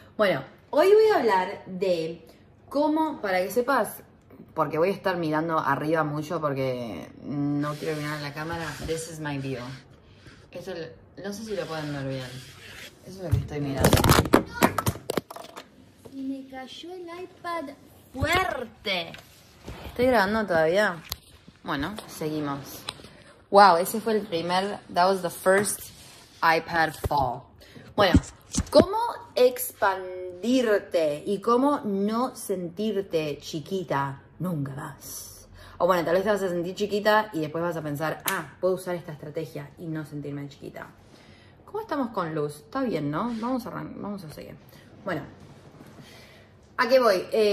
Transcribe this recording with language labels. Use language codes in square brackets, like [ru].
[es] Bueno, hoy voy a hablar de cómo, para que sepas, porque voy a estar mirando arriba mucho porque no quiero mirar la cámara. [en] This is my view. [es] Eso, no sé si lo pueden ver bien. Eso es lo que estoy mirando. Y me cayó el iPad fuerte. ¿Estoy grabando todavía? Bueno, seguimos. Wow, ese fue el primer... [en] That was the first iPad fall. [es] Bueno, ¿cómo expandirte y cómo no sentirte chiquita nunca más? O bueno, tal vez te vas a sentir chiquita y después vas a pensar, ah, puedo usar esta estrategia y no sentirme chiquita. ¿Cómo estamos con luz? Está bien, ¿no? Vamos a seguir. Bueno, ¿a qué voy?